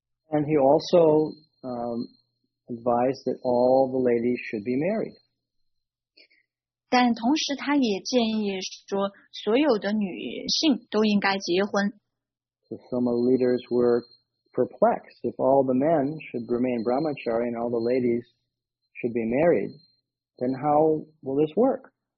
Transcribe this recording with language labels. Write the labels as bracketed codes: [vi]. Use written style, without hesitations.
[en] And he also advised that all the ladies should be married. [zh] 但同时他也建议说，所有的女性都应该结婚。 [en] So some of the leaders were perplexed. If all the men should remain brahmachari and all the ladies should be married, then how will this work?